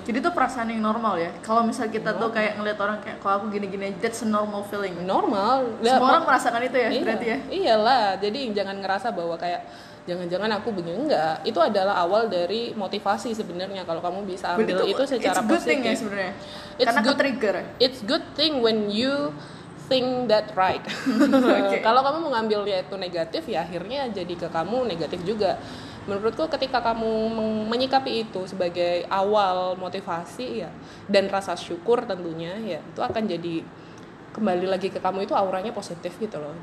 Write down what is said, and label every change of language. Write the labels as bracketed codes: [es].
[id] Jadi tuh perasaan yang normal ya. Kalau misal kita normal. Tuh kayak ngeliat orang kayak kok aku gini-gini, [en] that's a normal feeling. [id] Normal. Semua orang merasakan itu ya, iya, berarti ya. Iyalah. Jadi jangan ngerasa bahwa kayak jangan-jangan aku begini, enggak. Itu adalah awal dari motivasi sebenarnya kalau kamu bisa ambil itu secara positif. [en] It's good thing [id] ya sebenarnya. Karena good, ke-trigger. [en] It's good thing when you think that right. Okay. [id] Kalau kamu mengambilnya itu negatif, ya akhirnya jadi ke kamu negatif juga. Menurutku ketika kamu menyikapi itu sebagai awal motivasi ya, dan rasa syukur tentunya ya, itu akan jadi kembali lagi ke kamu, itu auranya positif gitu loh.